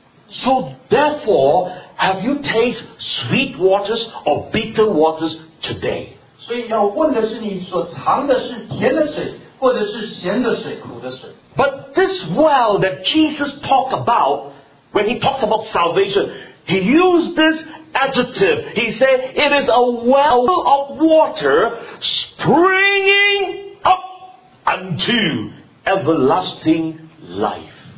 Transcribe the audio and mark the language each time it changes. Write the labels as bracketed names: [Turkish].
[English] So therefore, have you tasted sweet waters or bitter waters today? [Chinese] 所以要问的是你所尝的是甜的水，或者是咸的水，苦的水。 [English] But this well that Jesus talked about, when he talks about salvation, he used this adjective. He said, it is a well of water springing up unto everlasting life.